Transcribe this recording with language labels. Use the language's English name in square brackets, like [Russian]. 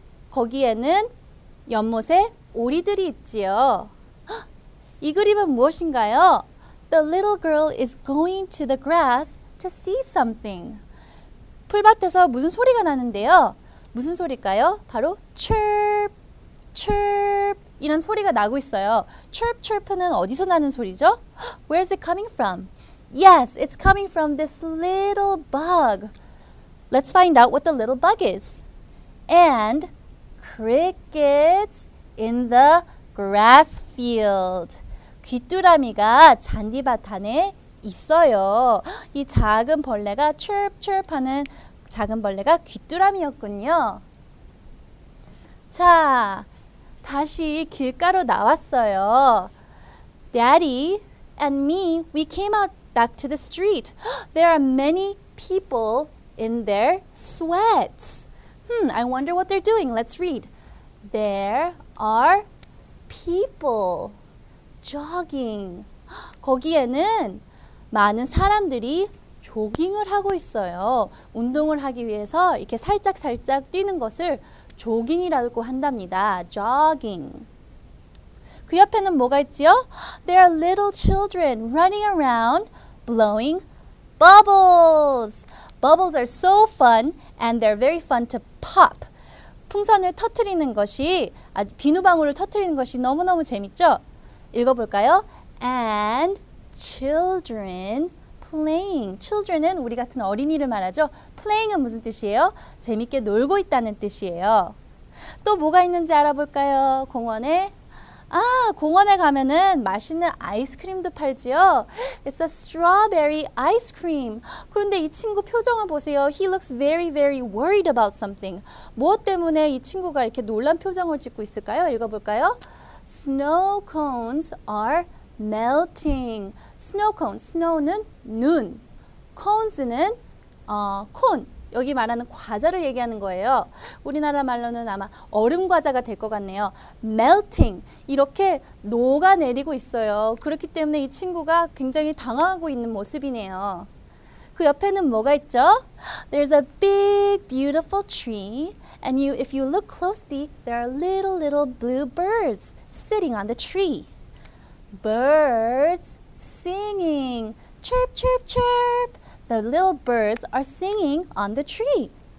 [Korean] 거기에는 연못에 오리들이 있지요. 이 그림은 무엇인가요? [English] The little girl is going to the grass to see something. [Korean] 풀밭에서 무슨 소리가 나는데요? 무슨 소리일까요? 바로 chirp, chirp 이런 소리가 나고 있어요. chirp, chirp는 어디서 나는 소리죠? [English] Where's it coming from? Yes, it's coming from this little bug. Let's find out what the little bug is. And crickets in the grass field. [Korean] 귀뚜라미가 잔디밭 안에 있어요. 이 작은 벌레가 chirp chirp 하는 작은 벌레가 귀뚜라미였군요. 자, 다시 길가로 나왔어요. [English] Daddy and me, we came out back to the street. There are many people in their sweats. I wonder what they're doing. Let's read. There are people jogging. [Korean] 거기에는 많은 사람들이 조깅을 하고 있어요. 운동을 하기 위해서 이렇게 살짝살짝 뛰는 것을 조깅이라고 한답니다. Jogging. 그 옆에는 뭐가 있지요? [English] There are little children running around blowing bubbles. Bubbles are so fun and they're very fun to pop. [Korean] 풍선을 터뜨리는 것이, 비누방울을 터뜨리는 것이 너무너무 재밌죠? 읽어볼까요? [English] And children playing. [Korean] Children은 우리 같은 어린이를 말하죠. Playing은 무슨 뜻이에요? 재밌게 놀고 있다는 뜻이에요. 또 뭐가 있는지 알아볼까요? 공원에? 아, 공원에 가면은 맛있는 아이스크림도 팔지요. [English] It's a strawberry ice cream. [Korean] 그런데 이 친구 표정을 보세요. [English] He looks very, very worried about something. [Korean] 무엇 때문에 이 친구가 이렇게 놀란 표정을 짓고 있을까요? 읽어볼까요? [English] Snow cones are melting. [Korean] Snow cone, snow는 눈. Cones는 콘. 여기 말하는 과자를 얘기하는 거예요. 우리나라 말로는 아마 얼음 과자가 될 것 같네요. Melting, 이렇게 녹아내리고 있어요. 그렇기 때문에 이 친구가 굉장히 당황하고 있는 모습이네요. 그 옆에는 뭐가 있죠? [English] There's a big beautiful tree and if you look closely, there are little blue birds sitting on the tree. Birds singing. Chirp, chirp, chirp. The little birds are singing on the tree.